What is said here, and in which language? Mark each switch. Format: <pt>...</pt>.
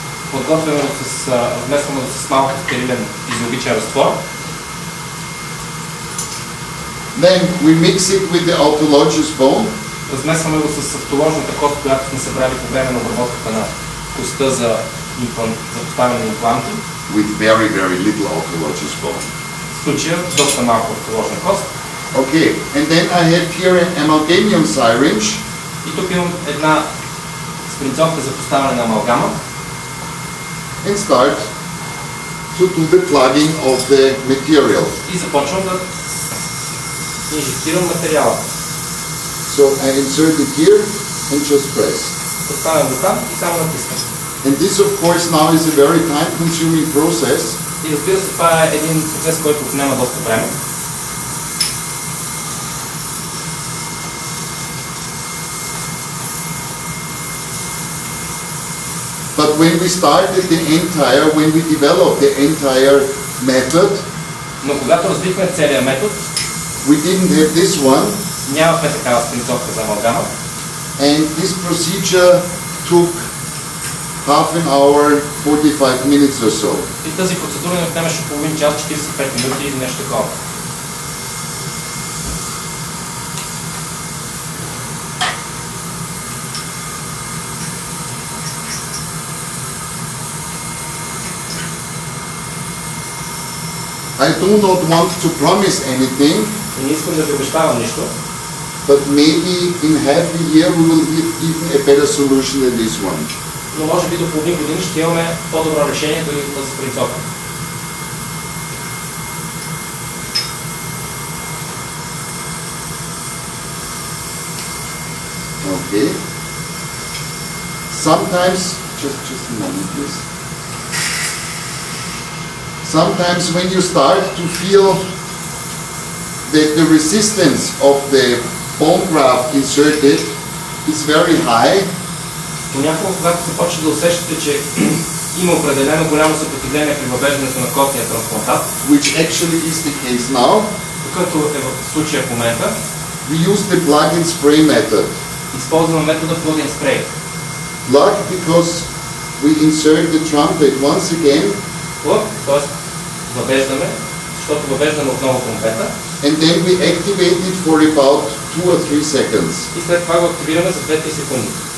<bg>Подготвяме го с, вместваме го с малко стерилен физиологичен разтвор.</bg> <en>Then we mix it with the autologous bone.</en> <bg>Размесваме го с автоложната кост, която сме събрали по време на обработката на костта за, за поставяне на импланти.</bg> <en>With very, very little autologous bone.</en> <bg>В случая доста малко автоложна кост.</bg> <en>Okay, and then I have here an amalgamium syringe.</en> <bg>И тук имам една спринцовка за поставяне на амалгама.</bg> <en>And start to do the plugging of the material.</en> <bg>И започвам да инжектирам материала.</bg> <en>So I insert it here and just press.</en> <bg>Поставям го там и само натискам.</bg> <en>And this of course now is a very time consuming process.</en> <bg>И разбира се, това е един процес, който отнема доста време.</bg> <en>But when we started the entire, when we developed the entire method,</en> <bg>но когато развихме целия метод,</bg> <en>we didn't have this one.</en> <bg>Нямахме такава спринцовка за амалгама.</bg> <en>And this procedure took half an hour, 45 minutes or so.</en> <bg>И тази процедура не отнемаше половин час, 45 минути или нещо такова.</bg> <en>I do not want to promise anything.</en> <bg>И не искам да ви обещавам нищо.</bg> <en>But maybe in half a year we will give even a better solution than this one.</en> <bg>Но може би до половин години ще имаме по-добро решение дори да се прицока.</bg> <en>Okay. Sometimes, just a moment, please. sometimes when you start to feel that the resistance of the bone graft inserted is very high.</en> <bg>Понякога, когато се почва да усещате, че има определено голямо съпротивление при въвеждането на костния трансплантат,</bg> <en>which actually is the case now,</en> <bg>като е в случая в момента,</bg> <en>we use the plug and spray method.</en> <bg>Използваме метода plug and spray.</bg> <en>Plug because we insert the trumpet once again. Plug,</en> <bg>т.е. въвеждаме, защото въвеждаме отново трумпета.</bg> <en>And then we activate it for about 2 or 3 seconds.</en> <bg>И след това го активираме за 2-3 секунди.</bg>